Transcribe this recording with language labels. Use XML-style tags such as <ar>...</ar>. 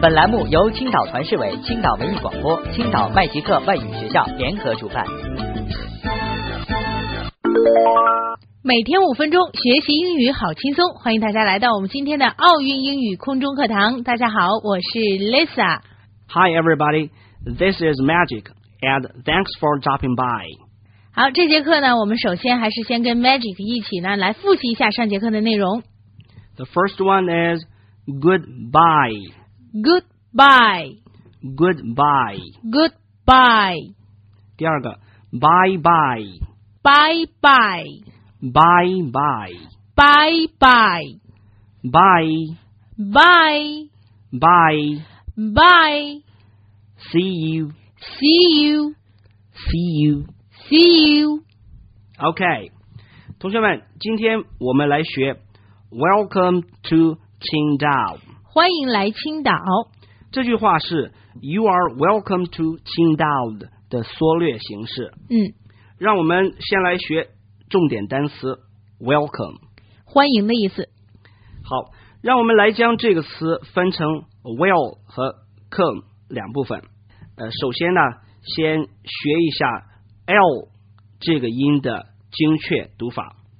<zh>本栏目由青岛团市委青岛文艺广播青岛麦吉特外语学校联合主办。每天五分钟学习英语好轻松，欢迎大家来到我们今天的奥运英语空中课堂。大家好，我是 Lisa。</zh> <en>Hi everybody, this is Magic and thanks for dropping by。</en> <zh>好，这节课呢，我们首先还是先跟 Magic 一起呢来复习一下上节课的内容。</zh> <en>The first one is goodbye. Goodbye. Goodbye. Goodbye.</en> <zh>第二个 bye bye.</zh> <en>Bye bye. Bye bye. Bye bye. Bye. Bye. Bye. Bye. See you. See you. See you. See you. OK.</en> <zh>同学们，今天我们来学</zh> <en>Welcome to Qingdao.</en> <zh>欢迎来青岛。这句话是</zh> <en>You are welcome to Qingdao</en> <zh>的缩略形式。嗯。让我们先来学重点单词 welcome，欢迎的意思。好，让我们来将这个词分成 well 和 come 两部分。首先呢，先学一下 l 这个音的精确读法。</zh>